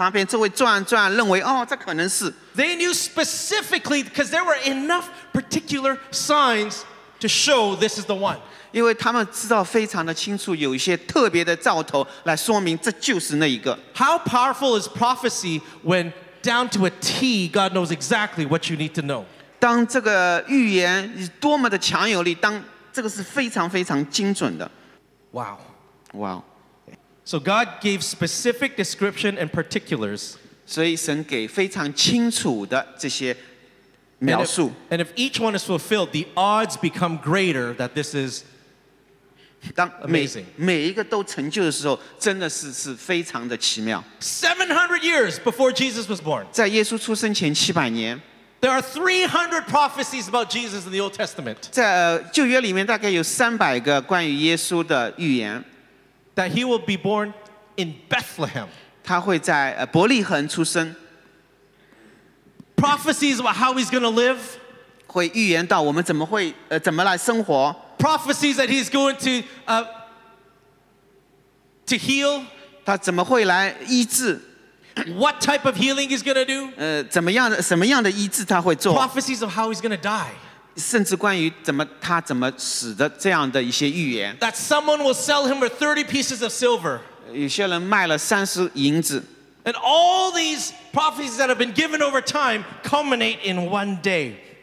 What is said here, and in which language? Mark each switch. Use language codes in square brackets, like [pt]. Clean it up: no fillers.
[zh] 这些博士来不是说好像在这个马槽旁边周围转转，认为哦，这可能是。 [en] They knew specifically because there were enough particular signs to show this is the one. [zh] 因为他们知道非常的清楚，有一些特别的兆头来说明这就是那一个。 [en] How powerful is prophecy when down to a T, God knows exactly what you need to know. [zh] 当这个预言多么的强有力，当这个是非常非常精准的。 [en] Wow. Wow. So God gave specific description and particulars. [zh] 所以神给非常清楚的这些描述。 [en] And if each one is fulfilled, the odds become greater that this is amazing. [zh] 每一个都成就的时候，真的是非常的奇妙。 [en] 700 years before Jesus was born. [zh] 在耶稣出生前700年。 [en] There are 300 prophecies about Jesus in the Old Testament. [zh] 在旧约里面大概有300个关于耶稣的预言。 [en] That he will be born in Bethlehem. [zh] 他会在伯利恒出生。 [en] Prophecies about how he's going to live. [zh] 会预言到我们怎么来生活。 [en] Prophecies that he's going to heal. [zh] 他怎么会来医治。 [en] What type of healing he's going to do? [zh] 怎么样的医治他会做? [en] Prophecies of how he's going to die. [zh] 甚至关于怎么死的这样的一些预言。 [en] That someone will sell him for 30 pieces of silver. [zh] 有些人卖了30银子。 [en] And all these prophecies that have been given over time culminate in one day.